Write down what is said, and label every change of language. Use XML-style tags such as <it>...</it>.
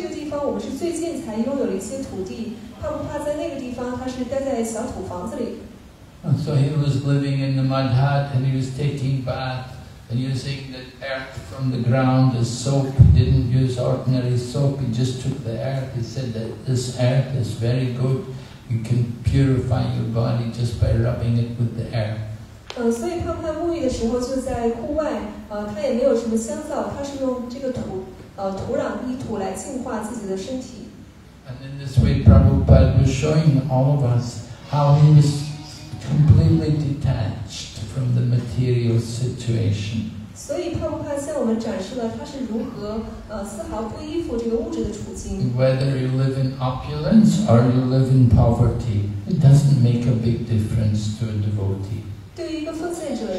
<zh>在他离开香港之后，帕布帕来到印度的这个布文内什瓦，这个地方我们是最近才拥有了一些土地。</zh> <en>So he was living in the mud hut and he was taking bath and using the earth from the ground as soap. He didn't use ordinary soap, he just took the earth. He said that this earth is very good, you can purify your body just by rubbing it with the earth.</en> <zh>所以胖胖沐浴的时候就在户外，他也没有什么香皂，他是用这个土壤泥土来净化自己的身体。</zh> <en>And in this way, Prabhupada was showing all of us how he was completely detached from the material situation. Whether you live in opulence or you live in poverty, it doesn't make a big difference to a devotee.</en>